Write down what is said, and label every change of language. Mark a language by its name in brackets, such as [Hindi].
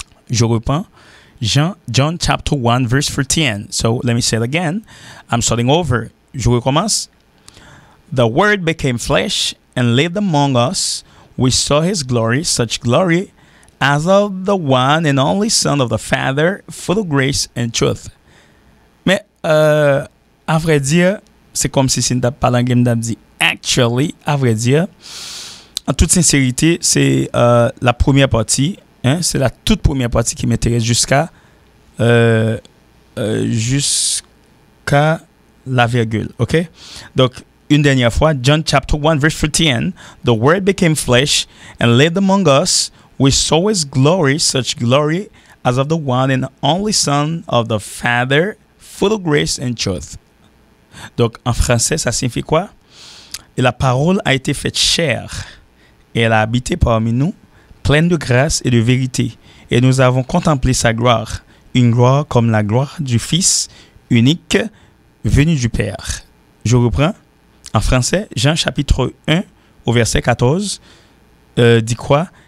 [French] Je reprends. [English] John chapter 1, verse 14. So let me say it again. I'm starting over. [French] Je recommence. [English] The Word became flesh and lived among us. We saw his glory, such glory as of the one and only Son of the Father, full of grace and truth. [French] Mais, à vrai dire, c'est comme si c'est une parole en game d'abdi. Actually, à vrai dire, en toute sincérité, c'est la première partie. Hein, c'est la toute première partie qui m'intéresse jusqu'à la virgule. OK? Donc, une dernière fois, [English] John chapter 1, verse 14. The Word became flesh and lived among us. We saw his glory, such glory as of the one and only Son of the Father, full of grace and truth. [French] Donc, en français, ça signifie quoi? Et la parole a été faite chair et elle a habité parmi nous, pleine de grâce et de vérité. Et nous avons contemplé sa gloire, une gloire comme la gloire du Fils unique venu du Père. Je reprends en français, Jean chapitre 1 au verset 14, dit quoi?